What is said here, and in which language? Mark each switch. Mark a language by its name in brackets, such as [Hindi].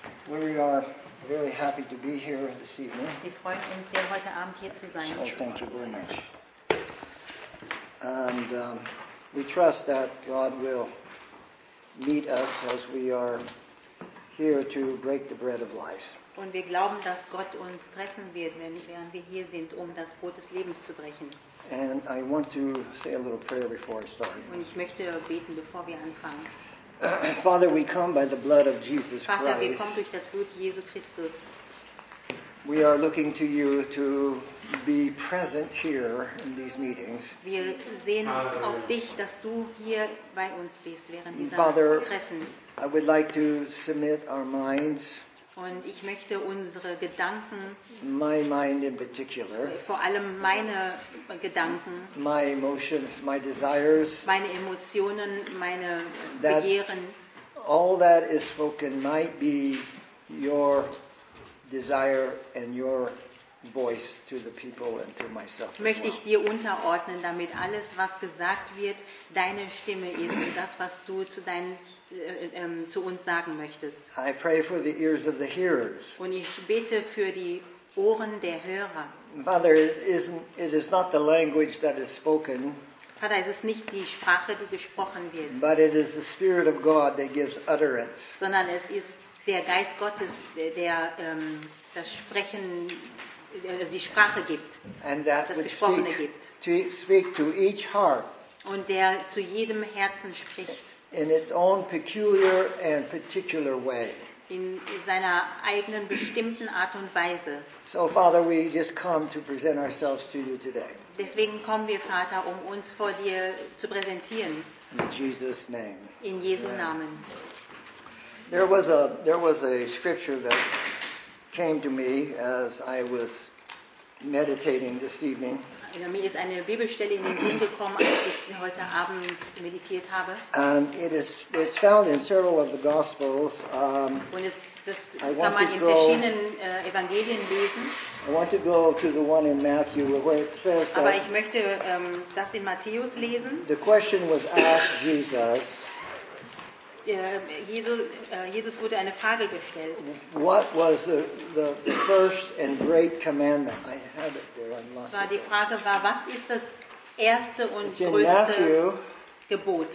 [English] We are really happy to be here this evening. [German] Wir freuen uns sehr, heute Abend hier zu sein. [English] So, thank you very much. And we trust that God will meet us as we are here to break the bread of life. [German] Und wir glauben, dass Gott uns treffen wird, während wir hier sind, um das Brot des Lebens zu brechen. [English] And I want to say a little prayer before I start. [German] Und ich möchte beten, bevor wir anfangen. [English] Father, we come by the blood of Jesus Christ. [German] Vater, wir kommen durch das Blut Jesu Christus. [English] We are looking to you to be present here in these meetings. [German] Wir sehen auf dich, dass du hier bei uns bist während dieser [English] Father, [German] Treffen. [English] I would like to submit our minds. [German] Und ich möchte unsere Gedanken, [English] my mind in particular, [German] vor allem meine Gedanken, [English] my emotions, my desires, [German] meine Emotionen, meine Begehren, [English] all that is spoken might be your desire and your voice to the people and to myself. [German] Möchte ich dir unterordnen, damit alles, was gesagt wird, deine Stimme ist und das, was du zu deinen zu uns sagen möchtest. [English] I pray for the ears of the hearers. [German] Und ich bete für die Ohren der Hörer. [English] Father, it is not the language that is spoken. [German] Vater, es ist nicht die Sprache, die gesprochen wird. [English] But it is the Spirit of God that gives utterance. [German] Sondern es ist der Geist Gottes, der das Sprechen, die Sprache gibt, [English] and that [German] das Gesprochene gibt. [English] To speak to each heart. [German] Und der zu jedem Herzen spricht. [English] In its own peculiar and particular way. [German] In seiner eigenen bestimmten Art und Weise. [English] So, Father, we just come to present ourselves to you today. [German] Deswegen kommen wir, Vater, um uns vor dir zu präsentieren. [English] In Jesus' name. [German] In Jesu Namen. [English] There was a scripture that came to me as I was meditating this evening. [German] Mir ist eine Bibelstelle in den Sinn gekommen, als ich heute Abend meditiert habe. [English] And it's found in several of the Gospels. [German] Und das kann man in verschiedenen Evangelien lesen. [English] I want to go to the one in Matthew where it says that. [German] Aber ich möchte das in Matthäus lesen. [English] The question was asked Jesus. [German] Jesus wurde eine Frage gestellt. [English] What was the first and great commandment? I have it there. I lost it. [German] Die Frage war, was ist das erste und größte Gebot?